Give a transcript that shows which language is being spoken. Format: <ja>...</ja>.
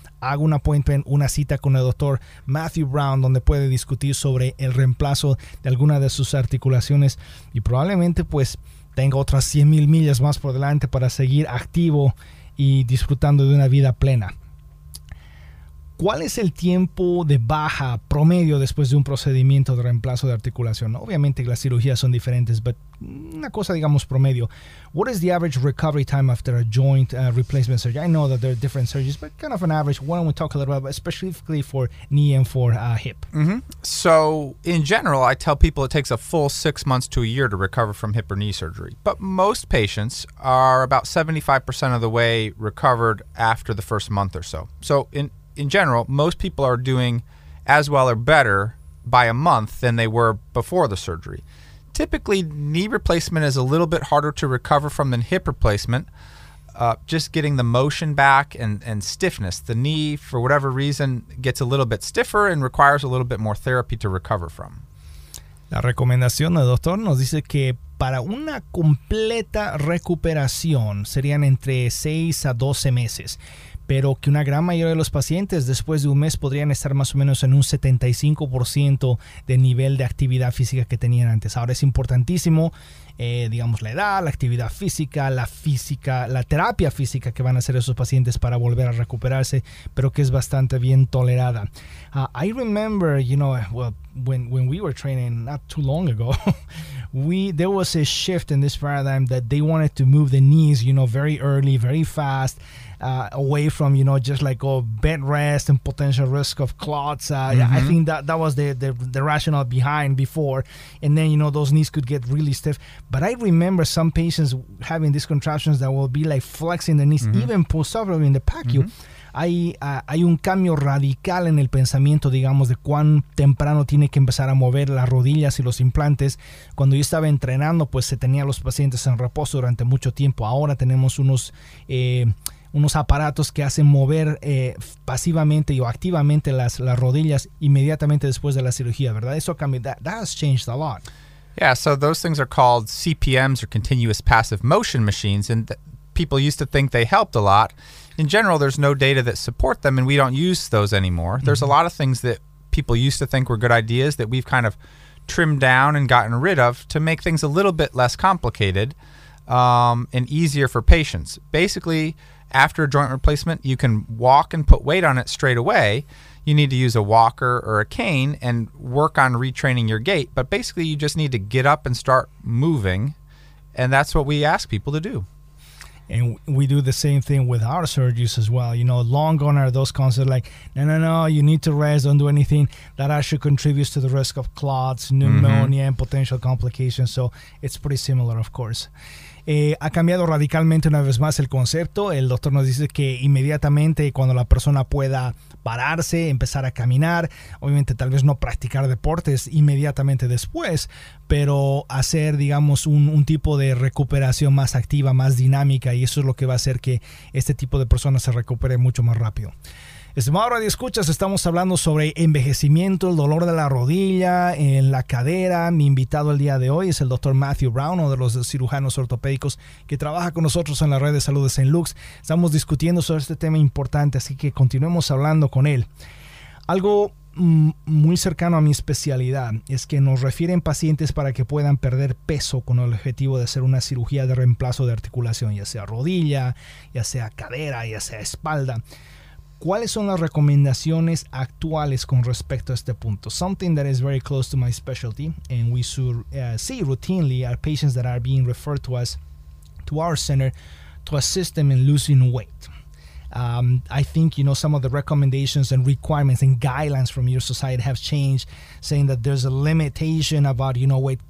<es>Haga un appointment, una cita con el doctor Matthew Brown, donde puede discutir sobre el reemplazo de alguna de sus articulaciones, y probablemente pues tenga otras 100,000 millas más por delante para seguir activo y disfrutando de una vida plena. ¿Cuál es el tiempo de baja promedio después de un procedimiento de reemplazo de articulación? Obviamente las cirugías son diferentes, pero una cosa, digamos, promedio.</es> <en>What is the average recovery time after a joint replacement surgery? I know that there are different surgeries, but kind of an average. Why don't we talk a little bit about specifically for knee and for hip? Mm-hmm. So in general, I tell people it takes a full 6 months to a year to recover from hip or knee surgery. But most patients are about 75% of the way recovered after the first month or so. So in general, most people are doing as well or better by a month than they were before the surgery. Typically, knee replacement is a little bit harder to recover from than hip replacement. Just getting the motion back and stiffness. The knee, for whatever reason, gets a little bit stiffer and requires a little bit more therapy to recover from. La recomendación del doctor nos dice que para una completa recuperación serían entre 6 a 12 meses. Pero que una gran mayoría de los pacientes después de un mes podrían estar más o menos en un 75% de nivel de actividad física que tenían antes. Ahora es importantísimo, digamos, la edad, la actividad física, la terapia física que van a hacer esos pacientes para volver a recuperarse, pero que es bastante bien tolerada. I remember, you know, well, when we were training not too long ago, there was a shift in this paradigm that they wanted to move the knees, you know, very early, very fast, away from, you know, just like, oh, bed rest and potential risk of clots. Mm-hmm. I think that was the rationale behind before. And then, you know, those knees could get really stiff. But I remember some patients having these contractions that will be like flexing the knees, mm-hmm. even post-operative in the PACU. Mm-hmm.</en> <es>Hay un cambio radical en el pensamiento, digamos, de cuán temprano tiene que empezar a mover las rodillas y los implantes. Cuando yo estaba entrenando, pues se tenía a los pacientes en reposo durante mucho tiempo. Ahora tenemos unos aparatos que hacen mover pasivamente o activamente las rodillas inmediatamente después de la cirugía, ¿verdad? Eso cambió.</es> <en>That has changed a lot. Yeah, so those things are called CPMs, or Continuous Passive Motion Machines, and people used to think they helped a lot. In general, there's no data that support them, and we don't use those anymore. Mm-hmm. There's a lot of things that people used to think were good ideas that we've kind of trimmed down and gotten rid of to make things a little bit less complicated and easier for patients. Basically, after a joint replacement, you can walk and put weight on it straight away. You need to use a walker or a cane and work on retraining your gait. But basically, you just need to get up and start moving, and that's what we ask people to do. And we do the same thing with our surgeries as well. You know, long gone are those concepts like, no, you need to rest, don't do anything. That actually contributes to the risk of clots, pneumonia, mm-hmm. and potential complications. So it's pretty similar, of course.</en> <es>Ha cambiado radicalmente una vez más el concepto. El doctor nos dice que inmediatamente cuando la persona pueda pararse, empezar a caminar, obviamente tal vez no practicar deportes inmediatamente después, pero hacer, digamos, un tipo de recuperación más activa, más dinámica, y eso es lo que va a hacer que este tipo de personas se recupere mucho más rápido. Estimado Radio Escuchas, estamos hablando sobre envejecimiento, el dolor de la rodilla, en la cadera. Mi invitado el día de hoy es el doctor Matthew Brown, uno de los cirujanos ortopédicos que trabaja con nosotros en la red de salud de St. Luke's. Estamos discutiendo sobre este tema importante, así que continuemos hablando con él. Algo muy cercano a mi especialidad es que nos refieren pacientes para que puedan perder peso con el objetivo de hacer una cirugía de reemplazo de articulación, ya sea rodilla, ya sea cadera, ya sea espalda. ¿Cuáles son las recomendaciones actuales con respecto a este punto?</es> <en>Something that is very close to my specialty, and we should see routinely our patients that are being referred to us to our center to assist them in losing weight. I think, you know, some of the recommendations and requirements and guidelines from your society have changed, saying that there's a limitation about, you know, weight.</en>